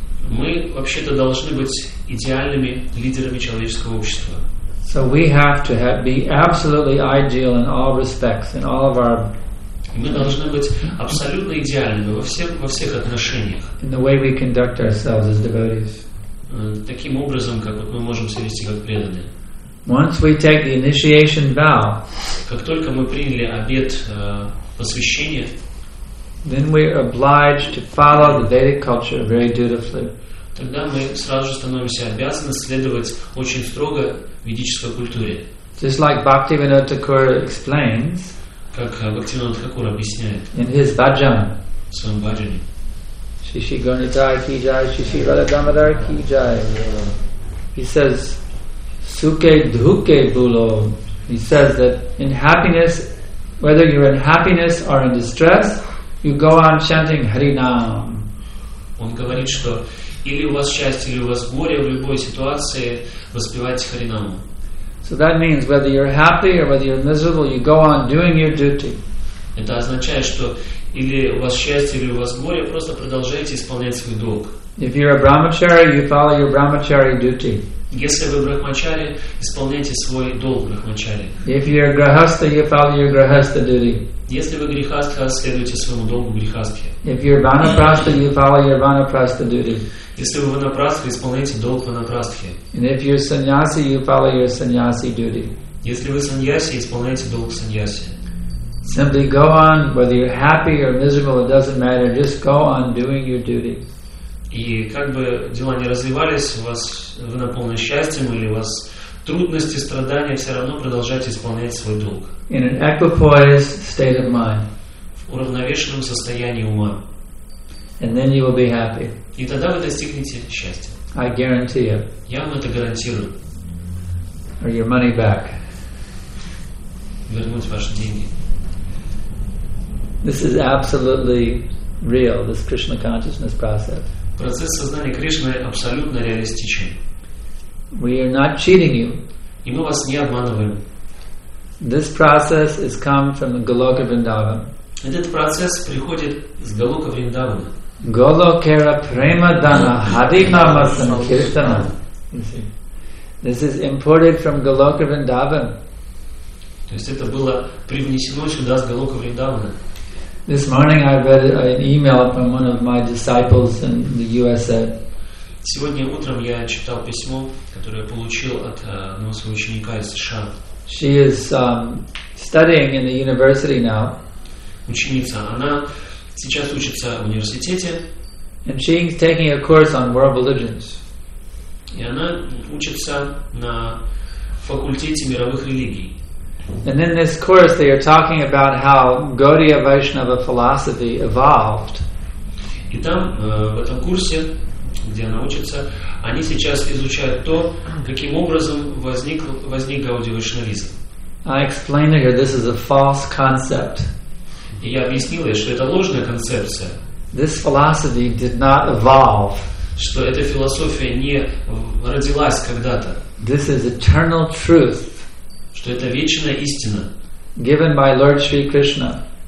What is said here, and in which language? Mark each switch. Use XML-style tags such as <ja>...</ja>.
<ru>Мы вообще-то должны быть идеальными лидерами человеческого общества.</ru> <en>So we have to be absolutely ideal in all respects, in all of our.</en> <ru>Мы должны быть абсолютно идеальными во всех отношениях.</ru> <en>In the way we conduct ourselves as devotees.</en> <ru>Таким образом, как мы можем себя вести как преданные.</ru> <en>Once we take the initiation vow.</en> <ru>Как только мы приняли обет посвящения.</ru> <en>Then we are obliged to follow the Vedic culture very dutifully.</en> <ru>Тогда мы сразу же становимся обязаны следовать очень строго ведической культуре.</ru> <en>Just like Bhaktivinoda Thakur explains.</en> <ru>Как Бхактивинода Тхакур объясняет.</ru> <en>In his bhajan.</en> <ru>В своем бхаджане.</ru> <sa>Шиши Гонитай Ки Джай, Шиши Рада Дамадар Ки Джай.</sa> <en>He says,</en> <bn>Суке Дхуке Було.</bn> <en>He says that in happiness, whether you're in happiness or in distress, you go on chanting Харинам.</en> <ru>Он говорит, что или у вас счастье, или у вас горе, в любой ситуации воспевайте Харинаму.</ru> <en>So that means whether you're happy or whether you're miserable, you go on doing your duty.</en> <ru>Это означает, что или у вас счастье, или у вас горе, просто продолжайте исполнять свой долг.</ru> <en>If you're a brahmachari, you follow your brahmachari duty.</en> <ru>Если вы брахмачари, исполняйте свой долг брахмачари.</ru> <en>If you're grahastha, you follow your grahastha duty.</en> <ru>Если вы грихастха, следуйте своему долгу грихастхи.</ru> <en>If you're vanaprastha, you follow your vanaprastha duty.</en> <ru>Если вы ванапрастха, исполняйте долг ванапрастхи.</ru> <en>And if you're sannyasi, you follow your sannyasi duty.</en> <ru>Если вы саньяси, исполняйте долг саньяси.</ru> <en>Simply go on, whether you're happy or miserable, it doesn't matter. Just go on doing your duty.</en> <ru>И как бы дела ни развивались, вы наполнены счастьем или у вас трудности, страдания, все равно продолжайте исполнять свой долг.</ru> <en>In an equipoised state of mind.</en> <ru>В уравновешенном состоянии ума.</ru> <en>And then you will be happy.</en> <ru>И тогда вы достигнете счастья.</ru> <en>I guarantee you.</en> <ru>Я вам это гарантирую.</ru> <en>Or your money back.</en> <ru>Вернуть ваши деньги.</ru> <en>This is absolutely real, this Krishna consciousness process.</en> <ru>Процесс сознания Кришны абсолютно реалистичен.</ru> <en>We are not cheating you.</en> <ru>И мы вас не обманываем.</ru> <en>This process has come from the Goloka Vrindavan.</en> <ru>Этот процесс приходит из Голока Вриндавана.</ru> <bn>Голокера према дана хари нама санкиртана.</bn> <en>This is imported from Goloka Vrindavan.</en> <ru>То есть это было привнесено сюда с Голока Вриндавана.</ru> <en>This morning I read an email from one of my disciples in the USA.</en> <ru>Сегодня утром я читал письмо, которое я получил от одного своего ученика из США.</ru> <en>She is studying in the university now.</en> <ru>Ученица, она сейчас учится в университете.</ru> <en>And she is taking a course on world religions.</en> <ru>И она учится на факультете мировых религий.</ru> <en>And in this course, they are talking about how Gaudiya Vaishnava philosophy evolved.</en> <ru>И там в этом курсе, где она учится, они сейчас изучают то, каким образом возник Гаудия Вайшнавизм.</ru> <en>I explained to her this is a false concept.</en> <ru>И я объяснил ей, что это ложная концепция.</ru> <en>This philosophy did not evolve.</en> <ru>Что эта философия не родилась когда-то.</ru> <en>This is eternal truth.</en> <ru>Что это вечная истина,</ru> <en>given by Lord Shri Krishna,</en>